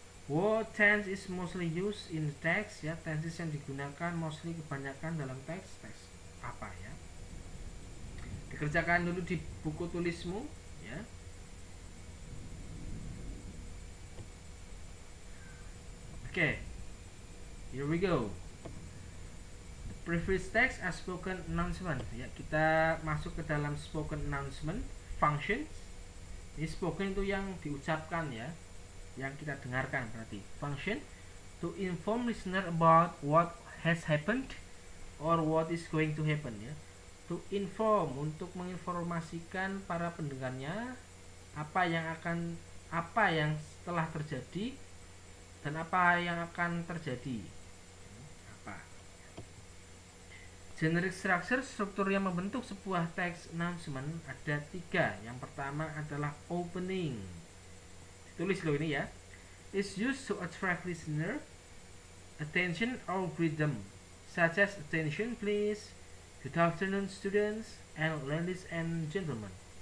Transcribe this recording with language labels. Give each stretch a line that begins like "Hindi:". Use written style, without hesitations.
English: What tense is mostly used in the text?
Indonesian: Ya, tenses yang digunakan mostly kebanyakan dalam teks. Teks apa, ya? Dikerjakan dulu di buku tulismu, ya.
English: Oke, okay, here we go. The previous text as spoken announcement.
Indonesian: Ya, kita masuk ke dalam spoken announcement functions. Ini spoken itu yang diucapkan, ya, yang kita dengarkan berarti.
English: Function to inform listener about what has happened or what is going to happen.
Indonesian: Ya, to inform, untuk menginformasikan para pendengarnya apa yang telah terjadi. Dan apa yang akan terjadi? Apa? Generic structure, struktur yang membentuk sebuah text announcement, ada tiga. Yang pertama adalah opening. Tulis loh ini, ya.
English: It's used to attract listener attention or greet them. Such as attention please, good afternoon students, and ladies and gentlemen.